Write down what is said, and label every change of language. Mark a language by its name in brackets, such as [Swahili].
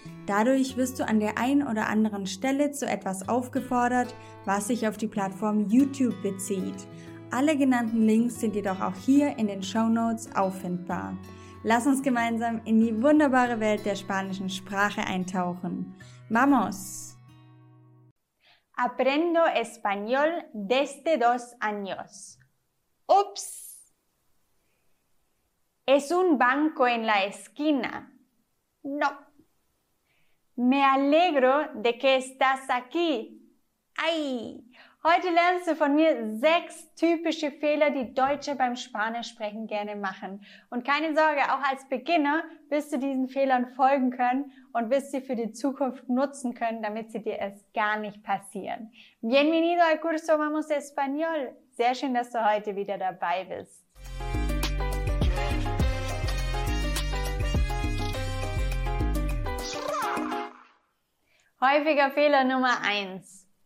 [German] Dadurch wirst du an der einen oder anderen Stelle zu etwas aufgefordert, was sich auf die Plattform YouTube bezieht. Alle genannten Links sind jedoch auch hier in den Shownotes auffindbar. Lass uns gemeinsam in die wunderbare Welt der spanischen Sprache eintauchen. [Spanish] ¡Vamos! Aprendo español desde dos años. ¡Ups! Es un banco en la esquina. ¡No! Me alegro de que estás aquí. ¡Ay! [German] Heute lernst du von mir 6 typische Fehler, die Deutsche beim Spanischsprechen gerne machen. Und keine Sorge, auch als Beginner wirst du diesen Fehlern folgen können und wirst sie für die Zukunft nutzen können, damit sie dir erst gar nicht passieren. [Spanish] Bienvenido al curso Vamos Español. [German] Sehr schön, dass du heute wieder dabei bist. Häufiger Fehler Nummer 1.